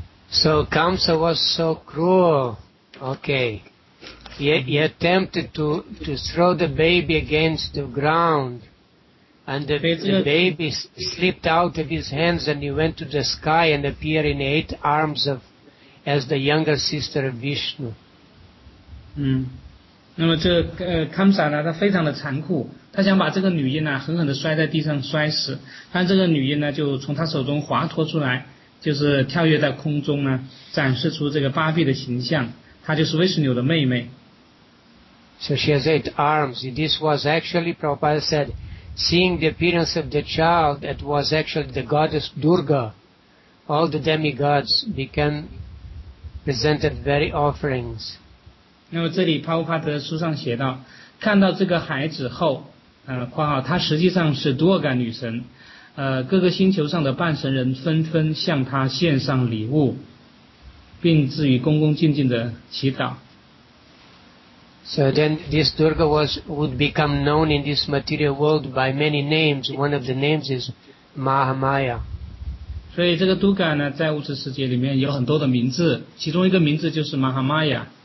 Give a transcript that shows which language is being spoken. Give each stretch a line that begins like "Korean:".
English: So Kamsa was so cruel. Okay. He attempted to throw the baby against the ground. And the baby slipped out of his hands and he went to the sky and appeared in eight arms of... as the younger sister of Vishnu.
Chinese: 那么这Kamsa 呢，他非常的残酷，他想把这个女婴呢狠狠地摔在地上摔死，但这个女婴呢就从他手中滑脱出来，就是跳跃在空中呢，展示出这个八臂的形象，她就是 Vishnu 的妹妹。
English: So she has eight arms. This was actually, Prabhupada said, seeing the appearance of the child, it was actually the goddess Durga. All the demigods became... presented very offerings.
Chinese: 那么这里帕乌帕德书上写到，看到这个孩子后，括号他实际上是多尔嘎女神，各个星球上的半神人纷纷向他献上礼物，并致以恭恭敬敬的祈祷。
English: So then this Durga would become known in this material world by many names. One of the names is Mahamaya.
Chinese: 所以这个 Durga 呢，在物质世界里面有很多的名字，其中一个名字就是 Mahamaya。